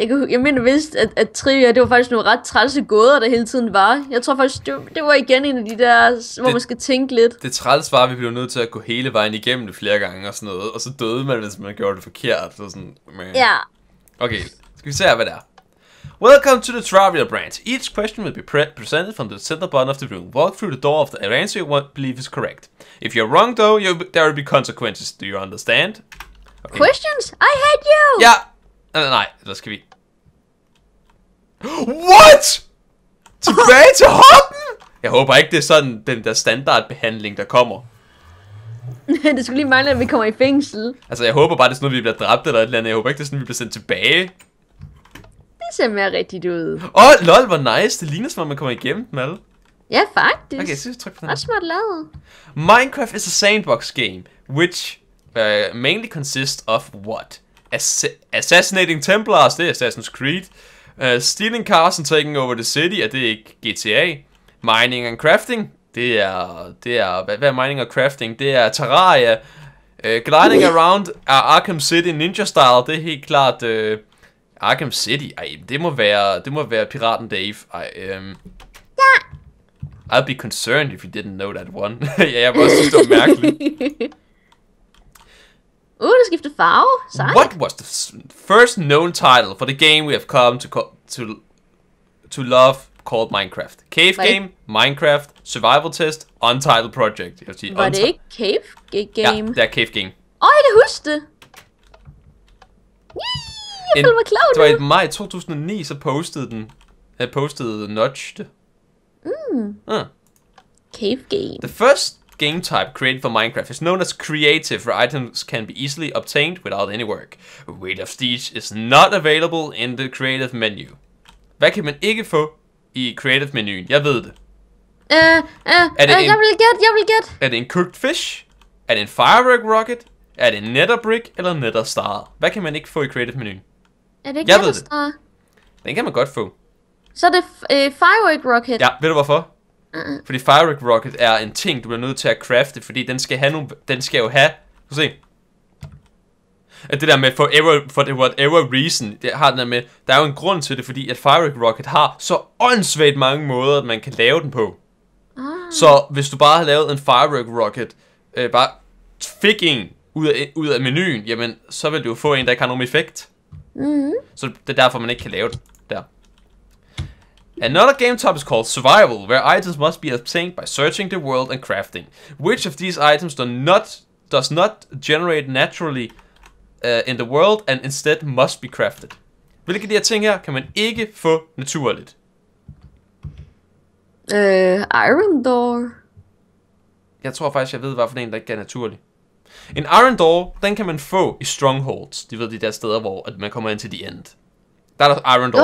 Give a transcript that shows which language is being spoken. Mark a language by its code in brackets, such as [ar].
[da] Jeg mener vist, at trivia, det var faktisk nogle ret trælse gåder, der hele tiden var. Jeg tror faktisk, det var igen en af de der, hvor man skal tænke lidt. Det træls var, at vi blev nødt til at gå hele vejen igennem det flere gange og sådan noget. Og så døde man, hvis man gjorde det forkert. Så sådan, man. Ja. Okay, skal vi se her, hvad det er. [en] Welcome to the Trivia Branch. Each question will be presented from the center button of the room. Walk through the door of the answer you believe is correct. If you're wrong, though, there will be consequences. Do you understand? Okay. Questions? I hate you! Yeah! [da] Nej, [en] let's give it. [da] What?! Tilbage til hoppen?! Jeg håber ikke, det er sådan den der standardbehandling, der kommer. Det skulle lige mangle, at vi kommer i fængsel. Altså, jeg håber bare, det er sådan, vi bliver dræbt eller et eller andet. Jeg håber ikke, det er sådan, vi bliver sendt tilbage. Det ser mere rigtigt ud. Lol, hvor nice. Det ligner som om, man kommer igennem dem alle. Ja, faktisk. Okay, så tryk på den. Hvor smart lavet. [en] Minecraft is a sandbox game, which mainly consists of what? Assassinating Templars, [da] det er [en] Assassin's Creed. Stealing cars and taking over the city, [da] er det ikke [en] GTA? Mining and crafting, [da] det er hvad er [en] mining and crafting? [da] Det er [en] Terraria. Gliding around Arkham City ninja style, [da] det er helt klart... [en] Arkham City? [da] Ej, det må være Piraten Dave. Ja. [en] I'd be concerned if you didn't know that one. [da] Ja, jeg var også synes, det var mærkeligt. Det skifter farve. Sejt. [en] What was the first known title for the game we have come to love called Minecraft? Cave game, Minecraft, survival test, untitled project. [da] Var det ikke cave game? Ja, det er cave game. Jeg kan huske det. Det var i maj 2009, så postede Notch det. Cave game. [en] The first game type created for Minecraft is known as creative, where items can be easily obtained without any work. Wheel of Stitch is not available in the creative menu. [da] Hvad kan man ikke få i creative menuen? Jeg ved det. Jeg vil get. Er det en cooked fish? Er det en firework rocket? Er det en nether brick eller nether star? Hvad kan man ikke få i creative menuen? Er det ikke Netherstar? Den kan man godt få. Så er det Firework Rocket. Ja, ved du hvorfor? Fordi Firework Rocket er en ting, du bliver nødt til at crafte, fordi den skal have nogle, den skal jo have, så se. At det der med forever, [en] for the whatever reason, [da] det har den der med, der er jo en grund til det, fordi at Firework Rocket har så åndssvagt mange måder, at man kan lave den på. Så hvis du bare har lavet en Firework Rocket, bare fik en ud af menuen, jamen, så vil du få en, der ikke har nogen effekt. Mm-hmm. Så det er derfor, man ikke kan lave den der. [en] Another game topic is called survival, where items must be obtained by searching the world and crafting. Which of these items does not generate naturally in the world and instead must be crafted? [da] Hvilke af de her ting her kan man ikke få naturligt? Iron door. Jeg tror faktisk, jeg ved, hvad for en der ikke er naturlig. En iron door, den kan man få i strongholds. De ved de der steder, hvor at man kommer ind til the end. Der er der iron doors.